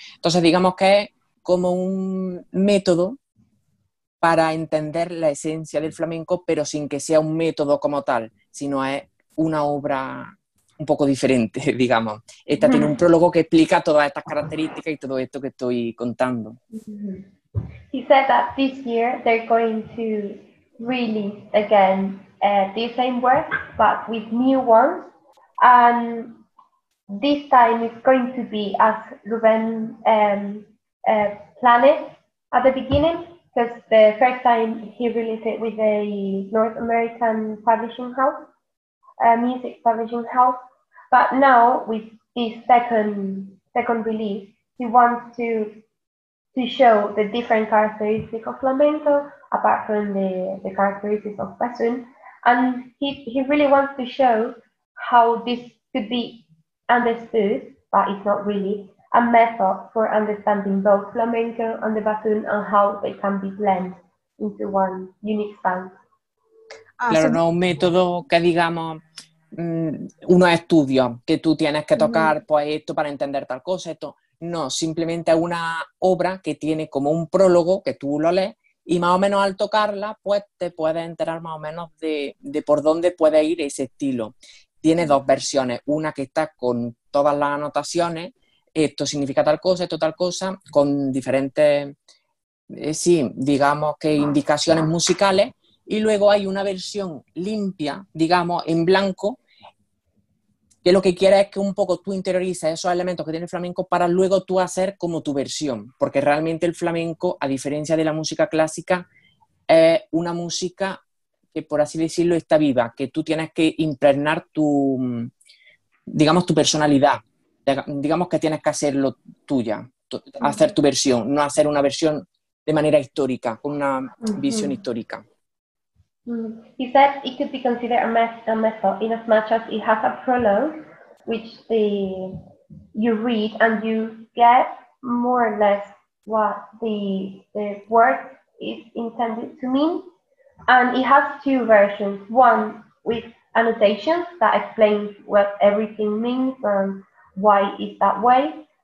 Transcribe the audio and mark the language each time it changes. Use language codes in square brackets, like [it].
[es] Entonces, digamos que es como un método para entender la esencia del flamenco, pero sin que sea un método como tal, sino es una obra un poco diferente, digamos. Esta tiene un prólogo que explica todas estas características y todo esto que estoy contando. [en] He said that this year they're going to release again the same work, but with new ones. And this time it's going to be as Ruben planned at the beginning, because the first time he released it with a North American publishing house, a music publishing house. But now with this second release, he wants to show the different characteristics of flamenco apart from the characteristics of bassoon, and he really wants to show how this could be understood, but it's not really a method for understanding both flamenco and the bassoon and how they can be blended into one unique sound. [es] Claro, no un método que digamos unos estudios que tú tienes que tocar pues esto para entender tal cosa, esto. No, simplemente una obra que tiene como un prólogo que tú lo lees y más o menos al tocarla pues te puedes enterar más o menos de por dónde puede ir ese estilo. Tiene dos versiones, una que está con todas las anotaciones, esto significa tal cosa, esto tal cosa, con diferentes, sí, digamos que indicaciones musicales, y luego hay una versión limpia, digamos, en blanco, que lo que quiere es que un poco tú interiorices esos elementos que tiene el flamenco para luego tú hacer como tu versión, porque realmente el flamenco, a diferencia de la música clásica, es una música que, por así decirlo, está viva, que tú tienes que impregnar tu, digamos, tu personalidad, digamos que tienes que hacerlo tuya, hacer tu versión, no hacer una versión de manera histórica, con una visión histórica. [en] He said it could be considered a method in as much as it has a prologue, which you read and you get more or less what the work is intended to mean. And it has two versions, one with annotations that explain what everything means and why it's that way.